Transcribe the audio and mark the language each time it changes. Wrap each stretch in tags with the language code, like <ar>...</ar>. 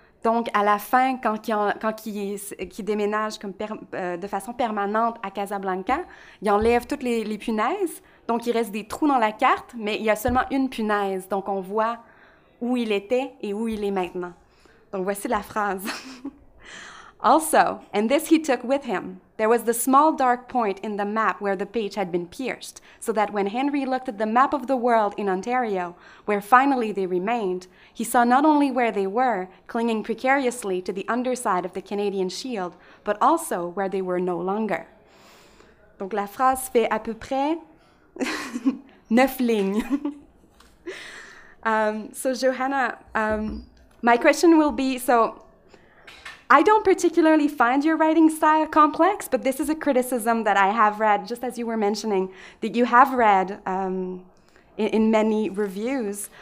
<fr>Donc, à la fin, quand il déménage de façon permanente à Casablanca, il enlève toutes les punaises. Donc, il reste des trous dans la carte, mais il y a seulement une punaise. Donc, on voit où il était et où il est maintenant. Donc, voici la phrase.</fr> <en>Also, and this he took with him, there was the small dark point in the map where the page had been pierced, so that when Henry looked at the map of the world in Ontario, where finally they remained, he saw not only where they were, clinging precariously to the underside of the Canadian shield, but also where they were no longer.</en> <fr>Donc la phrase fait à peu près 9 lignes.</fr> <en>So Johanna, my question will be, so I don't particularly find your writing style complex, but this is a criticism that I have read, just as you were mentioning, that you have read in many reviews.</en>